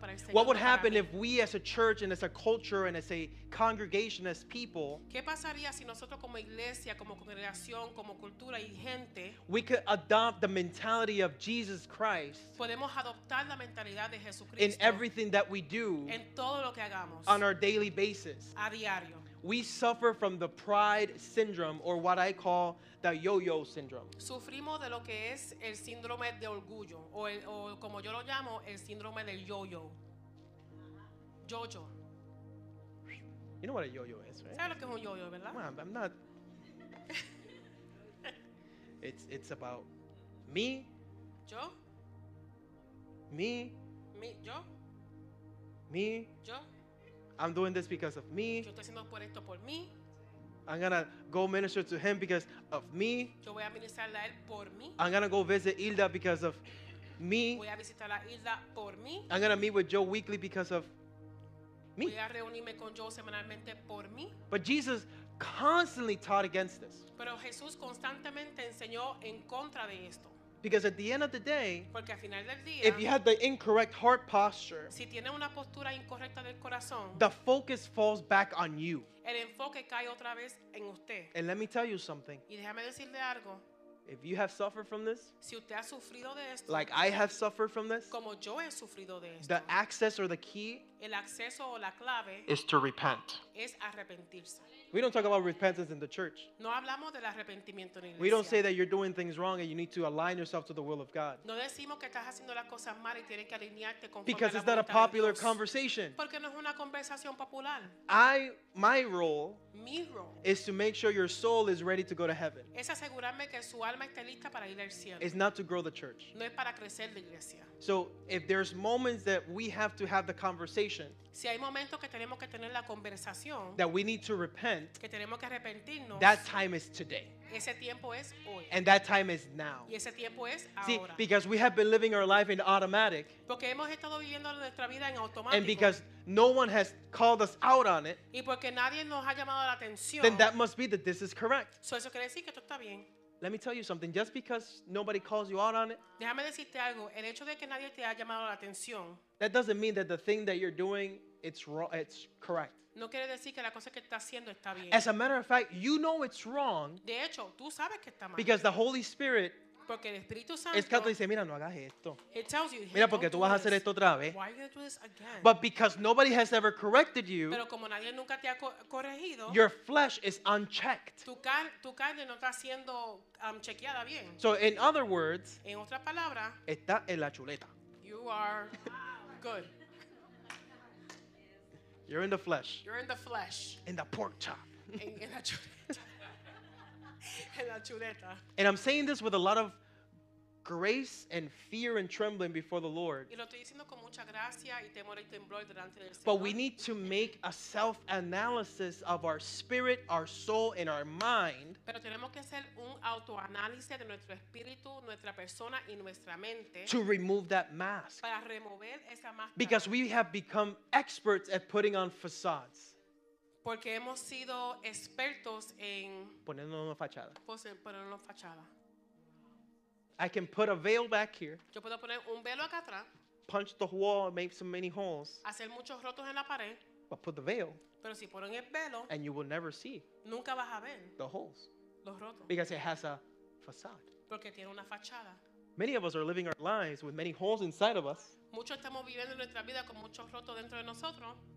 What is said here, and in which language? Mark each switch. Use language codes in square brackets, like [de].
[en] What would happen if we as a church and as a culture and as a congregation, as people, [es] ¿qué pasaría si nosotros como iglesia, como congregación, como cultura y gente, [en] we could adopt the mentality of Jesus Christ [es] podemos adoptar la mentalidad de Jesucristo [en] in everything that we do [es] en todo lo que hagamos [en] on our daily basis? [es] A diario. [en] We suffer from the pride syndrome, or what I call the yo-yo syndrome. [es] Sufrimos de lo que es el síndrome de orgullo, o como yo lo llamo, el síndrome del yo-yo. Yo-yo. [en] You know what a yo-yo is, right? [es] ¿Sabes lo que es un yo-yo, verdad? [en] Mom, I'm not. It's about me. [es] Yo. [en] Me. Me. Yo. Me. [es] Yo. [en] I'm doing this because of me. [es] Yo estoy haciendo por esto por mí. [en] I'm going to go minister to him because of me. [es] Yo voy a ministrarle a él por mí. [en] I'm going to go visit Hilda because of me. [es] Voy a visitar a Hilda por mí. [en] I'm going to meet with Joe weekly because of me. [es] Voy a reunirme con Joe semanalmente por mí. [en] But Jesus constantly taught against this. [es] Pero Jesús constantemente enseñó en contra de esto. [en] Because at the end of the day, [es] porque al final del día, [en] if you have the incorrect heart posture, [es] si tiene una postura incorrecta del corazón, [en] the focus falls back on you. [es] El enfoque cae otra vez en usted. [en] And let me tell you something. [es] Y déjame decirle algo. [en] If you have suffered from this, [es] si usted ha sufrido de esto, [en] like I have suffered from this, [es] como yo he sufrido de esto, [en] the access or the key, [es] el acceso o la clave, [en] is to repent. [es] Es arrepentirse. [en] We don't talk about repentance in the church. [es] No hablamos del arrepentimiento en la iglesia. [en] We don't say that you're doing things wrong and you need to align yourself to the will of God. [es] No decimos que estás haciendo las cosas mal y tienes que alinearte conforme. [en] Because it's not a popular conversation. [es] Porque no es una conversación popular. [en] My role is to make sure your soul is ready to go to heaven. [es] Es asegurarme que su alma esté lista para ir al cielo. [en] It's not to grow the church. [es] No es para crecer la iglesia. [en] So if there's moments that we have to have the conversation, [es] si hay momentos que tenemos que tener la conversación, [en] that we need to repent, [es] que tenemos que arrepentirnos, [en] that time is today. [es] Ese tiempo es hoy. [en] And that time is now. [es] Y ese tiempo es ahora. [en] See, because we have been living our life in automatic. [es] Porque hemos estado viviendo nuestra vida en automático. [en] And because no one has called us out on it, [es] y porque nadie nos ha llamado la atención, [en] then that must be that this is correct. [es] So eso quiere decir que esto está bien. [en] Let me tell you something. Just because nobody calls you out on it, [es] déjame decirte algo. El hecho de que nadie te ha llamado la atención, [en] that doesn't mean that the thing that you're doing, it's wrong, it's correct. [es] No quiere decir que la cosa que está haciendo está bien. [en] As a matter of fact, you know it's wrong. [es] De hecho, tú sabes que está mal. [en] Because the Holy Spirit, [es] porque el Espíritu Santo, es que te dice, mira, no hagas esto. [en] It tells you, [es] mira, porque tú vas a hacer esto otra vez. [en] Why are you going to do this again? But because nobody has ever corrected you, [es] pero como nadie nunca te ha corregido, [en] your flesh is unchecked. [es] Tu carne no está siendo chequeada bien. [en] So in other words, [es] en otra palabra, está en la chuleta. [en] You are good. You're in the flesh. You're in the flesh. In the pork chop. [es] En la chuleta. En la chuleta. [en] And I'm saying this with a lot of grace and fear and trembling before the Lord. [es] Y lo estoy diciendo con mucha gracia y temor y temblor delante del Señor. [en] But we need to make a self-analysis of our spirit, our soul, and our mind. [es] Pero tenemos que hacer un autoanálisis de nuestro espíritu, nuestra persona y nuestra mente. [en] To remove that mask. [es] Para remover esa máscara. [en] Because we have become experts at putting on facades. [es] Porque hemos sido expertos en ponernos una fachada. Ponernos una fachada. [en] I can put a veil back here. [es] Yo puedo poner un velo acá atrás. [en] Punch the wall and make so many holes. [es] Hacer muchos rotos en la pared. [en] But put the veil. [es] Pero si ponen el velo, [en] and you will never see. [es] Nunca vas a ver [en] the holes. [es] Los rotos. [en] Because it has a facade. [es] porque tiene una fachada. [en] Many of us are living our lives with many holes inside of us. [es] Muchos estamos viviendo nuestra vida con muchos rotos dentro de nosotros.